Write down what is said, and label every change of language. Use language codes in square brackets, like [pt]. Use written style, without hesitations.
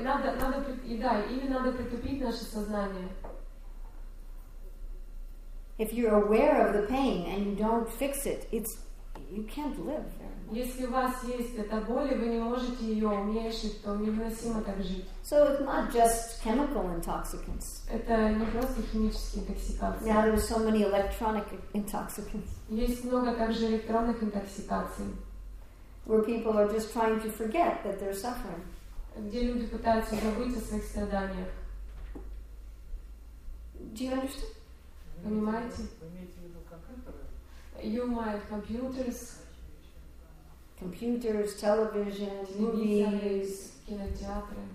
[ru] Надо притупить наше сознание. [en] If you're aware of the pain and you don't fix it, you can't live very much. [ru] Если у вас есть эта боль, вы не можете ее уменьшить, то невыносимо так жить. [en] So it's not just chemical intoxicants. [ru] Это не просто химические интоксикации. [en] Now there are so many electronic intoxicants. [ru] Есть много также электронных интоксикаций. [en] Where people are just trying to forget that they're suffering. [ru] Где люди пытаются забыть о своих страданиях. [en] Do you understand? [ru] Понимаете? Вы имеете в виду компьютеры? [en] You might computers. Computers, television, movies, [ru] кинотеатры,